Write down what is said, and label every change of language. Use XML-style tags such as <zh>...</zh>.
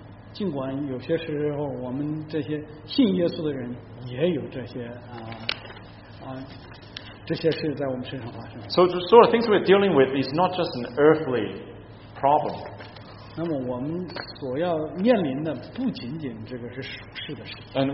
<zh>尽管有些时候我们这些信耶稣的人也有这些事在我们身上发生。</zh> <en>So the sort of things we're dealing with is not just an earthly problem.</en> <zh>那么我们所要面临的不仅仅这个是属世的事情。</zh> <en>And</en>